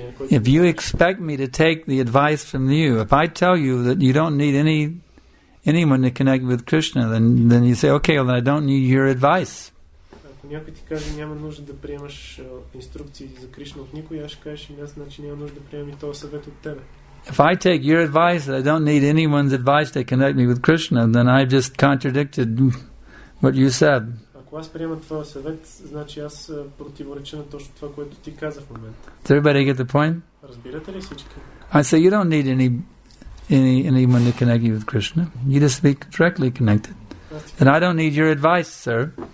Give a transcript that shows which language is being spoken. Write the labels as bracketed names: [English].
[English] If you expect me to take the advice from you, if I tell you that you don't need anyone to connect with Krishna, then you say, okay, well, then I don't need your advice. [Bulgarian] Някой ти каже, няма нужда да приемаш инструкции за Кришна от никой, аз ще кажеш, аз значи няма нужда да приемам и този съвет от тебе. [English] If I take your advice that I don't need anyone's advice to connect me with Krishna, then I've just contradicted what you said. [Bulgarian] Ако аз приема твоя съвет, значи аз противореча на точно това, което ти каза в момента. [English] Does everybody get the point? [Bulgarian] Разбирате ли всички? [English] I say you don't need anyone to connect you with Krishna. You just be directly connected. And I don't need your advice, sir.